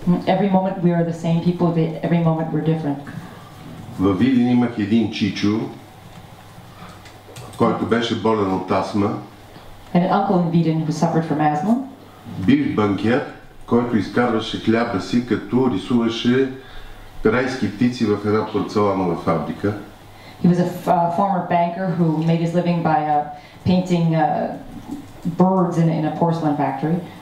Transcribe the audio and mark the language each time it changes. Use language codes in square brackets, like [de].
[en] Every moment we are the same people, but every moment we're different. [bg] Във Видин имах един чичо, който беше болен от астма. [en] And an uncle in Vidin who suffered from asthma. [bg] Бив банкер, който изкарваше хляба си, като рисуваше райски птици в една порцеланова фабрика. [en] He was a former banker who made his living by painting birds in a porcelain factory.